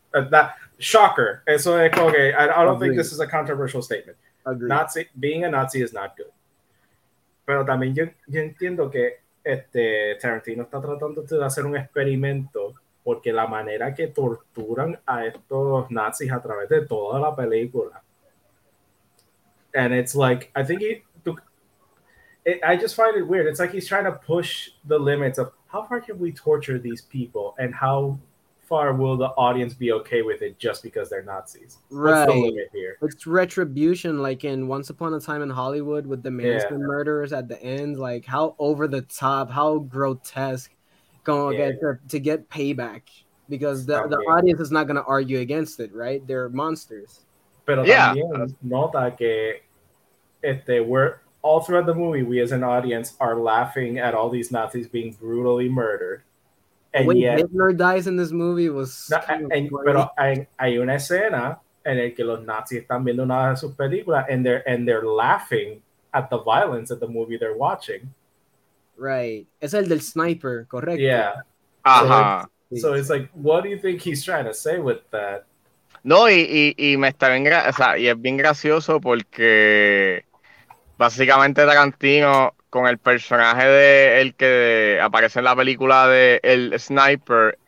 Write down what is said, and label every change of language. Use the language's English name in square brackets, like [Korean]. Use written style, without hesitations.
[English] That shocker. [Spanish] Eso es como que, [English] I don't think this is a controversial statement. Agreed. Nazi being a Nazi is not good. [Spanish] Pero también yo entiendo que Tarantino está tratando de hacer un experimento porque la manera que torturan a estos Nazis a través de toda la película. [English] And it's like, I think I just find it weird. It's like he's trying to push the limits of how far can we torture these people and how far will the audience be okay with it just because they're Nazis? Right. What's the limit here? It's retribution, like in Once Upon a Time in Hollywood with the Manson yeah. murderers at the end. Like, how over the top, how grotesque going yeah. to get payback because the audience is not going to argue against it, right? They're monsters. [Spanish] Pero [English] yeah. [Spanish] también nota que [English] we're all throughout the movie, we as an audience are laughing at all these Nazis being brutally murdered. And when yet, Hitler dies in this movie was [Spanish] pero hay una escena en el que los Nazis están viendo una de sus películas [English] and they're laughing at the violence of the movie they're watching. Right. [Spanish] Es el del sniper, correcto. [English] Yeah. Uh-huh. So it's like, what do you think he's trying to say with that? [Spanish] No, y me está bien, o sea, y es bien gracioso porque básicamente Tarantino con el personaje de el que aparece en la película de el sniper,